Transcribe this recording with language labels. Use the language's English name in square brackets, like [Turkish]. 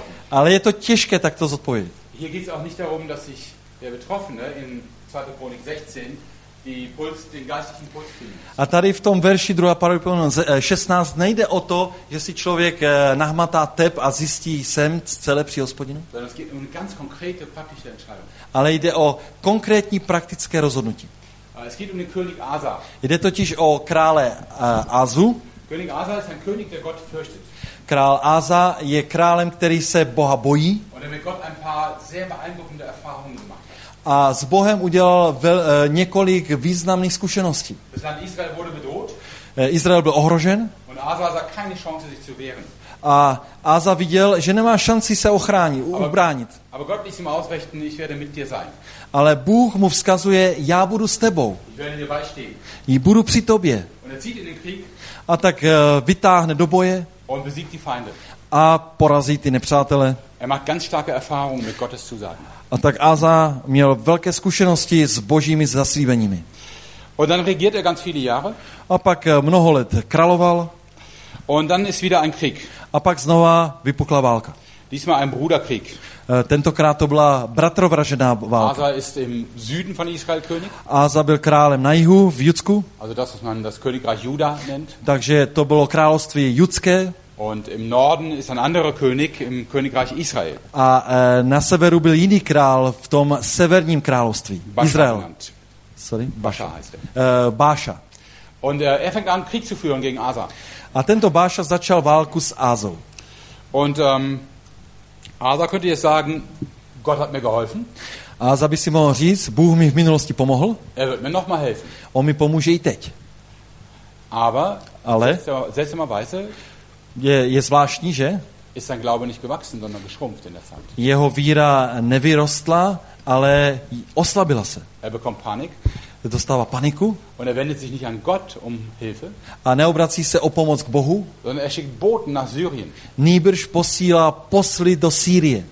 [Czech] Ale je to těžké takto zodpovědět. [German] Hier geht's auch nicht darum, dass sich der Betroffene in 2. Chronik 16 den geistlichen Puls fühlt. [Czech] A tady v tom verši 2. Paralipomenon 16 nejde o to, že si člověk nahmatá tep a zjistí sem celé při Hospodinu. [German] Es geht um ganz konkrete praktische Entscheidung. [Czech] Ale jde o konkrétní praktické rozhodnutí. [German] Es geht um den König Asa. [Czech] Jde totiž o krále Asu. [German] König Asa ist ein König, der Gott fürchtet. [Czech] Král Asa je králem, který se Boha bojí. [German] Und er hat Gott ein paar sehr beeindruckende Erfahrungen gemacht. [Czech] A s Bohem udělal několik významných zkušeností. [German] Das Land Israel wurde bedroht. [Czech] Izrael byl ohrožen. [German] Und Asa sah keine Chance, sich zu wehren. [Czech] A Asa viděl, že nemá šanci se ochránit, ubránit. [German] Aber Gott ließ ihm ausrichten, ich werde mit dir sein. [Czech] Ale Bůh mu vzkazuje, já budu s tebou. [German] Ich werde dir beistehen. [Czech] Jí budu při tobě. [German] Und er zieht in den Krieg. [Czech] A tak vytáhne do boje. [German] Und besiegt die Feinde. [Czech] A porazí ty nepřátele. [German] Er macht ganz starke Erfahrungen mit Gottes Zusagen. [Czech] A tak Asa měl velké zkušenosti s Božími zaslíbeními. [German] Und dann regiert er ganz viele Jahre. [Czech] A pak mnoho let královal. [German] Und dann ist wieder ein Krieg. [Czech] A pak znova vypukla válka. [German] Diesmal ein Bruderkrieg. [Czech] Tentokrát to byla bratrovražená válka. [German] Asa ist im Süden von Israel König. [Czech] Asa byl králem na jihu v Judsku. [German] Also das, was man das Königreich Juda nennt. [Czech] Takže to bylo království judské. [German] Und im Norden ist ein anderer König im Königreich Israel. [Czech] A na severu byl jiný král v tom severním království Izrael. [English] Sorry? [German] Baša heißt er. [Czech] Baša. [German] Und er fängt an, Krieg zu führen gegen Asa. [Czech] A tento Baša začal válku s Asou. [German] Und Asa könnte jetzt sagen, Gott hat mir geholfen. [Czech] Asa by si mohl říct, Bůh mi v minulosti pomohl. [German] Er wird mir noch mal helfen. [Czech] On mi pomůže i teď. [German] Aber, [Czech] ale [German] seltsamerweise, [Czech] je zvláštní, že? [German] Ist sein Glaube nicht gewachsen, sondern geschrumpft in der Zeit. [Czech] Jeho víra nevyrostla, ale oslabila se. [German] Er bekommt Panik. [Czech] Dostává paniku. [German] Und er wendet sich nicht an Gott um Hilfe. [Czech] A neobrací se o pomoc k Bohu. [German] Sondern er schickt Boten nach Syrien. [Czech] Nýbrž posílá posly do Sýrie.